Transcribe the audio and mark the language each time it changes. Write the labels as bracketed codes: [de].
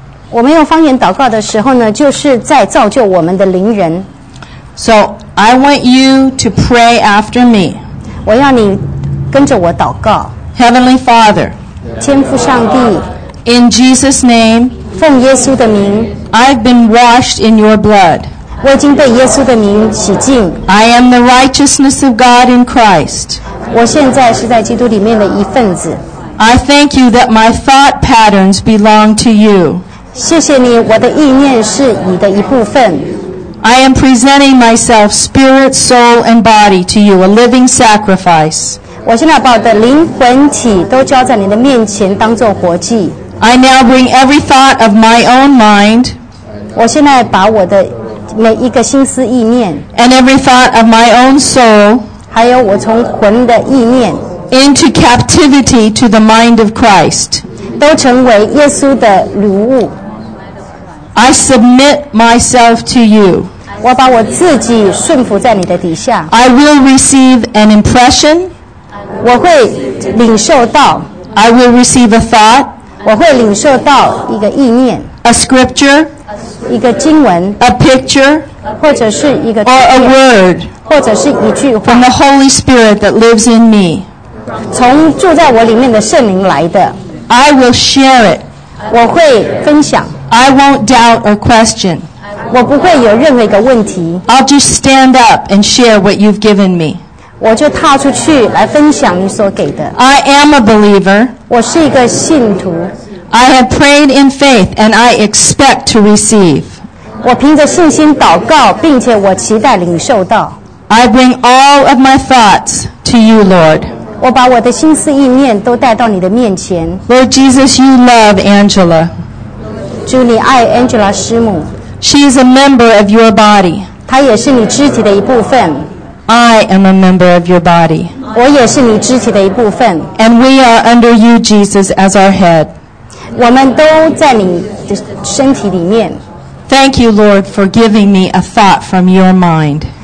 [zh] 我们用方言祷告的时候呢，就是在造就我们的灵人。 [en] So I want you to pray after me. [zh] 我要你跟着我祷告。 [en] Heavenly Father, [zh] 天父上帝。 [en] In Jesus' name, [zh] 奉耶稣的名。 [en] I've been washed in your blood. [zh] 我已经被耶稣的名洗净。 [en] I am the righteousness of God in Christ. [zh] 我现在是在基督里面的一份子。 [en] I thank you that my thought patterns belong to you. [zh] 谢谢你，我的意念是你的一部分。 [en] I am presenting myself, spirit, soul, and body to you, a living sacrifice. [zh] 我现在把我的灵魂体都交在你的面前，当作活祭。 [en] I now bring every thought of my own mind. [zh] 我现在把我的每一个心思意念。 [en] And every thought of my own soul. [zh] 还有我从魂的意念 [en] into captivity to the mind of Christ [zh] 都成为耶稣的奴仆 [en] I submit myself to you [zh] 我把我自己顺服在你的底下 [en] I will receive an impression [zh] 我会领受到 [en] I will receive a thought [zh] 我会领受到一个意念 [en] a scripture [zh] 一个经文 [en] a picture [zh] 或者是一个 [en] or a word From the Holy Spirit that lives in me, [zh] 从住在我里面的圣灵来的 [en] I will share it. [zh] 我会分享 [en] I won't doubt or question. [zh] 我不会有任何一个问题 [en] I'll just stand up and share what you've given me. [zh] 我就踏出去来分享你所给的 [en] I am a believer. [zh] 我是一个信徒 [en] I have prayed in faith, and I expect to receive. [zh] 我凭着信心祷告，并且我期待领受到。 [en] I bring all of my thoughts to you, Lord. [zh] 我把我的心思意念都带到你的面前。 [en] Lord Jesus, you love Angela. [zh] 主，你爱 Angela 师母。 [en] She is a member of your body. [zh] 她也是你肢体的一部分。 [en] I am a member of your body. [zh] 我也是你肢体的一部分。 [en] And we are under you, Jesus, as our head. [zh] 我们都在你的身体里面。 [en] Thank you, Lord, for giving me a thought from your mind.